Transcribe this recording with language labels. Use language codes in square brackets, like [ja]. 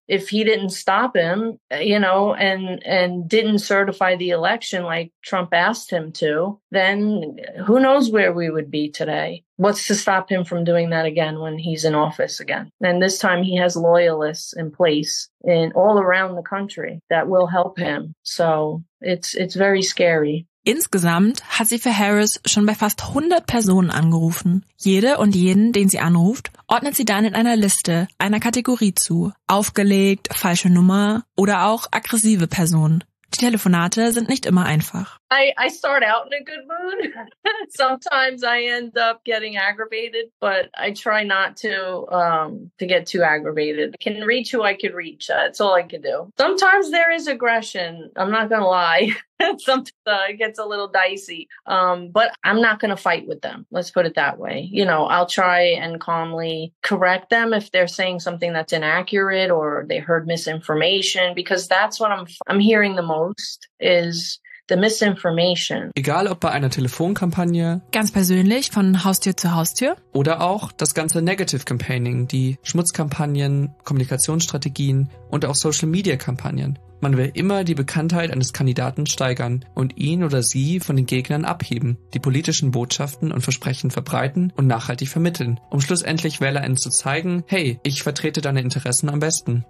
[en] If he didn't stop him, you know, and didn't certify the election like Trump asked him to, then who knows where we would be today? What's to stop him from doing that again when he's in office again? And this time he has loyalists in place in all around the country that will help him. So it's very scary. [de] Insgesamt hat sie für Harris schon bei fast 100 Personen angerufen. Jede und jeden, den sie anruft, ordnet sie dann in einer Liste, einer Kategorie zu. Aufgelegt, falsche Nummer oder auch aggressive Personen. Die Telefonate sind nicht immer einfach. [en] I start out in a good mood. Sometimes I end up getting aggravated, but I try not to to get too aggravated. I can reach who I can reach. That's all I can do. Sometimes there is aggression. I'm not gonna lie. Sometimes it gets a little dicey. But I'm not gonna fight with them. Let's put it that way. You know, I'll try and calmly correct them if they're saying something that's inaccurate or they heard misinformation, because that's what I'm hearing the most is the misinformation. [de] Egal ob bei einer Telefonkampagne, ganz persönlich von Haustür zu Haustür, oder auch das ganze Negative Campaigning, die Schmutzkampagnen, Kommunikationsstrategien und auch Social Media Kampagnen. Man will immer die Bekanntheit eines Kandidaten steigern und ihn oder sie von den Gegnern abheben, die politischen Botschaften und Versprechen verbreiten und nachhaltig vermitteln, um schlussendlich WählerInnen zu zeigen, hey, ich vertrete deine Interessen am besten.